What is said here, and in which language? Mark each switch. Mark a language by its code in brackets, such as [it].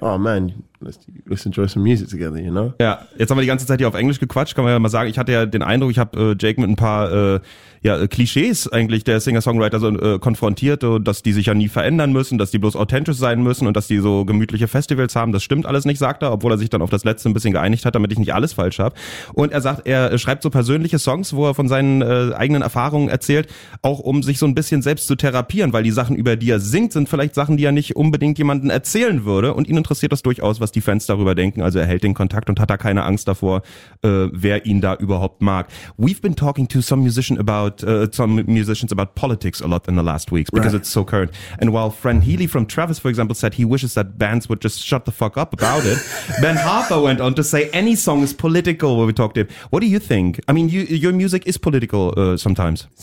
[en] Oh man, let's enjoy some music together, you know? [de] Ja, jetzt haben wir die ganze Zeit hier auf Englisch gequatscht. Kann man ja mal sagen, ich hatte ja den Eindruck, ich habe Jake mit ein paar Klischees eigentlich der Singer-Songwriter so konfrontiert, dass die sich ja nie verändern müssen, dass die bloß authentisch sein müssen und dass die so gemütliche Festivals haben. Das stimmt alles nicht, sagt er, obwohl er sich dann auf das Letzte ein bisschen geeinigt hat, damit ich nicht alles falsch habe. Und er sagt, er schreibt so persönliche Songs, wo er von seinen eigenen Erfahrungen erzählt, auch um sich so ein bisschen selbst zu therapieren, weil die Sachen, über die er singt, sind vielleicht Sachen, die er nicht unbedingt jemandem erzählen würde. Und ihn interessiert das durchaus, was die Fans darüber denken. Also er hält den Kontakt und hat da keine Angst davor, wer ihn da überhaupt mag. [en] We've been talking to some musicians about politics a lot in the last weeks because it's so current. And while Fran Healy from Travis, for example, said he wishes that bands would just shut the fuck up about it, Ben Harper went on to say any song is political when we talked to him. What do you think? I mean, your music is political sometimes.